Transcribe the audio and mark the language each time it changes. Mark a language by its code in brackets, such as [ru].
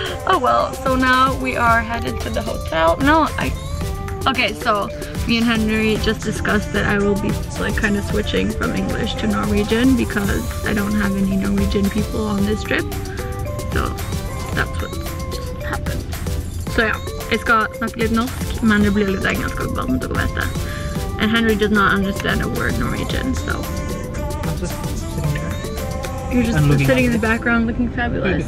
[en] Oh, well, so now we are headed to the hotel. No, I... Okay, so me and Henry just discussed that I will be like kind of switching from English to Norwegian because I don't have any Norwegian people on this trip. So that's what just happened. [no] So yeah, jeg skal snakke litt norsk, men det blir litt engelsk og bare måtte gå etter. [en] And Henry does not understand a word Norwegian, so. I'm just You're just sitting in the background looking fabulous.